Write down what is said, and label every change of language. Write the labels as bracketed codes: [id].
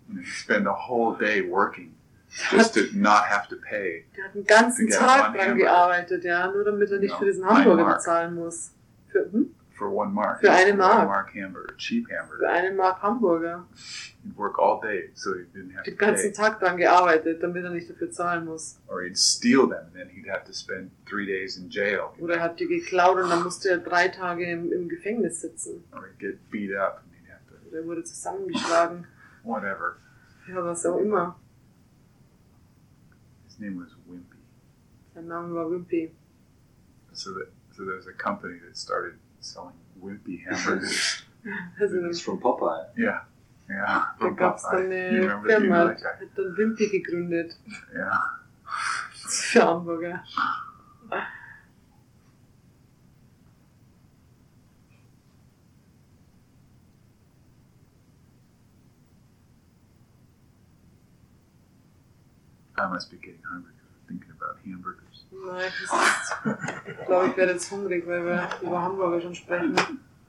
[en] And he'd spend a whole day working. Just to not have to pay. [de] Der hat einen ganzen Tag dran gearbeitet, ja, nur damit er nicht für diesen Hamburger bezahlen muss. [en] For one mark. [de] Für eine Mark. [en] One mark hamburger, cheap hamburger. [de] Für eine Mark Hamburger. [en] He'd work all day, so he didn't have to pay. [de] Den ganzen Tag dran gearbeitet, damit er nicht dafür zahlen muss. [en] Or he'd steal them, then he'd have to spend 3 days in jail. [de] Oder er hat die geklaut und dann musste er 3 Tage im Gefängnis sitzen. [en] Or he'd get beat up and he'd have to. [de] Oder er wurde zusammengeschlagen. [en] Whatever. [de] Ja, was auch immer. [en] His name was Wimpy. [de] Sein Name war Wimpy. [en] So there was a company that started selling Wimpy hamburgers. It's from Popeye. Yeah. [de] Da gab es dann eine Firma, hat dann Wimpy gegründet. [en] Yeah. [de] Für Hamburger. [en] I must be getting hungry thinking about hamburgers. [de] Nein, ich glaube, ich werde jetzt hungrig, weil wir über Hamburger schon sprechen.